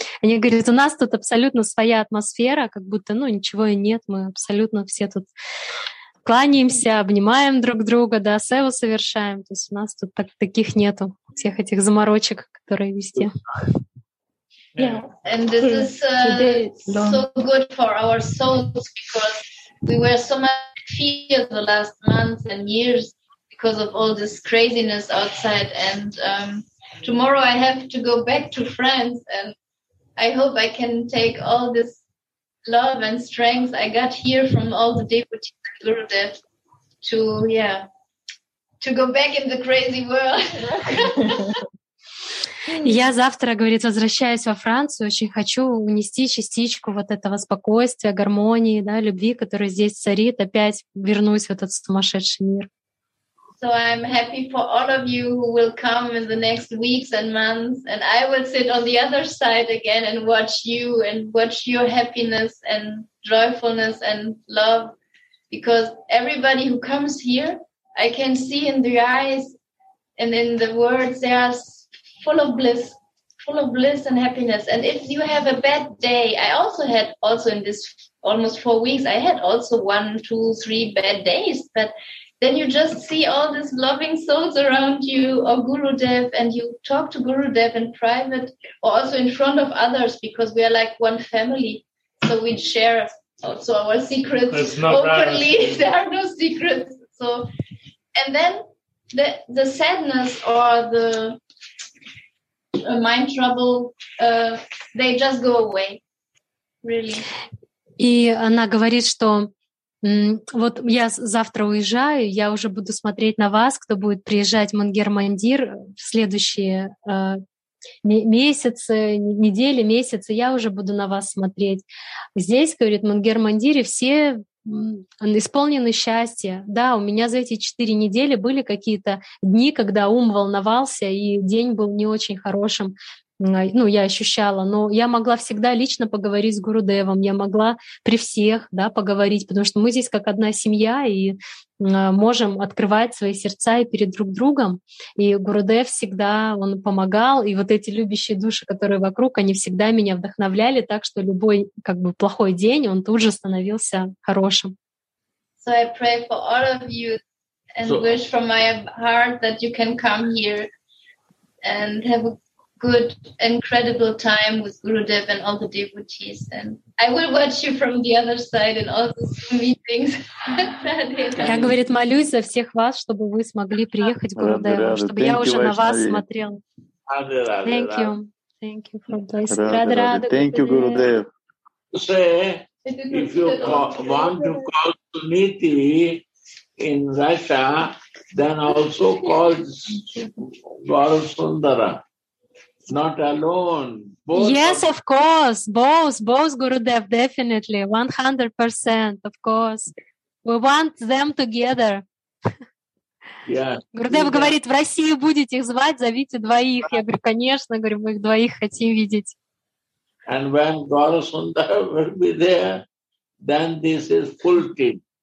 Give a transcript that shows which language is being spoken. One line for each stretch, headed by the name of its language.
Russian: Они говорят, у нас тут абсолютно своя атмосфера, как будто ничего и нет. Мы абсолютно все тут кланяемся, обнимаем друг друга, да, севу совершаем. То есть у нас тут таких нету, всех этих заморочек, которые везде.
English: Yeah. And this is so good for our souls because we were so much fear the last months and years because of all this craziness outside. And tomorrow I have to go back to France, and I hope I can take all this love and strength I got here from all the devotees and Gurudev to go back in the crazy world.
Russian: Я завтра, говорит, возвращаюсь во Францию, очень хочу унести частичку вот этого спокойствия, гармонии, да, любви, которая здесь царит, опять вернусь в этот сумасшедший мир.
English: So I'm happy for all of you who will come in the next weeks and months. And I will sit on the other side again and watch you and watch your happiness and joyfulness and love. Because everybody who comes here, I can see in the eyes and in the words, they are full of bliss and happiness. And if you have a bad day, I also had also in this almost 4 weeks, I had also 1, 2, 3 bad days. But then you just see all these loving souls around you or Gurudev, and you talk to Gurudev in private or also in front of others, because we are like one family. So we share also our secrets openly. There are no secrets. So, and then the sadness or the mind trouble, they just go away, really.
Russian: И она говорит, что вот я завтра уезжаю, я уже буду смотреть на вас, кто будет приезжать в Мангер-Мандир в следующие месяцы, недели, месяцы, я уже буду на вас смотреть. Здесь, говорит, в Мангер-Мандире все исполнены счастья. Да, у меня за эти 4 недели были какие-то дни, когда ум волновался, и день был не очень хорошим. Ну, я ощущала, но я могла всегда лично поговорить с Гурудевом, я могла при всех, да, поговорить, потому что мы здесь как одна семья и можем открывать свои сердца и перед друг другом, и Гурудев всегда, он помогал, и вот эти любящие души, которые вокруг, они всегда меня вдохновляли так, что любой, как бы, плохой день, он тут же становился хорошим.
English: So I pray for all of you and wish from my heart that you can come here and have a good, incredible time with Gurudev and all the devotees. And I will watch you from the other side in all the meetings.
Russian: Я говорит, молюсь за всех вас, чтобы вы смогли приехать к Гурудеву, чтобы я уже на вас смотрел.
English: Thank you. Thank you, Gurudev. Say, if you want to call to Niti in Russia, then also call Varasundara. Not alone. Both, of course, Gurudev, definitely, 100%, of course. We want them together. Yeah.
Russian: Gurudev говорит, в Россию будете их звать, зовите двоих. Я говорю, конечно, говорю, мы их двоих хотим видеть.
English: And when Gaurasundara will be there, then this is full team.